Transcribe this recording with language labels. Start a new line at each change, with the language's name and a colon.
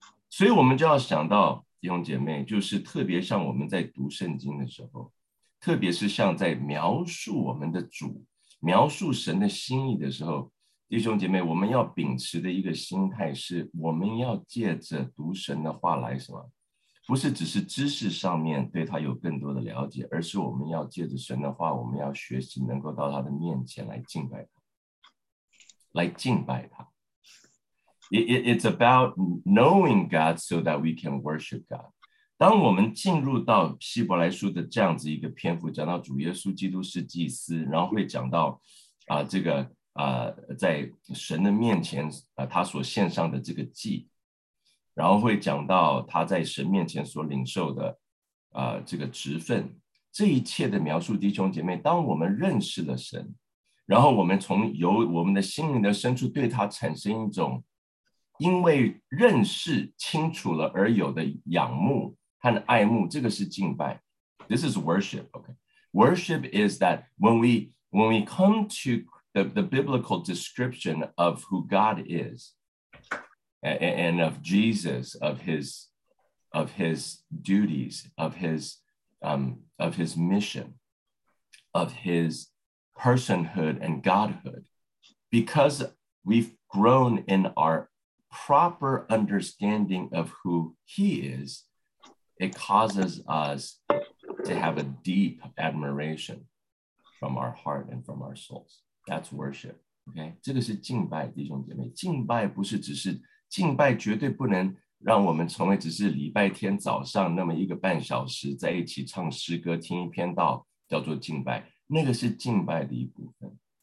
Chinese: 所以我们就要想到，弟兄姐妹，就是特别像我们在读圣经的时候，特别是像在描述我们的主，描述神的心意的时候，弟兄姐妹，我们要秉持的一个心态是，我们要借着读神的话来什么？不是只是知识上面对他有更多的了解，而是我们要借着神的话，我们要学习能够到他的面前来敬拜他，来敬拜他。
English: It's about knowing God so that we can worship God.
Chinese: 当我们进入到希伯来书的这样子一个篇幅，讲到主耶稣基督是祭司，然后会讲到这个在神的面前他所献上的这个祭，然后会讲到他在神面前所领受的这个职分，这一切的描述，弟兄姐妹，当我们认识了神，然后我们从由我们的心灵的深处对他产生一种因为认识清楚了而有的仰慕和爱慕，这个是敬拜。
English: This is worship. Okay, worship is that when we come to the biblical description of who God is. And of Jesus, of his duties, of his mission, of his personhood and Godhood. Because we've grown in our proper understanding of who he is, it causes us to have a deep admiration from our heart and from our souls. That's worship.
Chinese: Okay, 这个是敬拜，弟兄姐妹，敬拜不是只是敬拜绝对不能让我们成为只是礼拜天早上那么一个半小时在一起唱诗歌听一篇道叫做敬拜，那个是敬拜的一部分。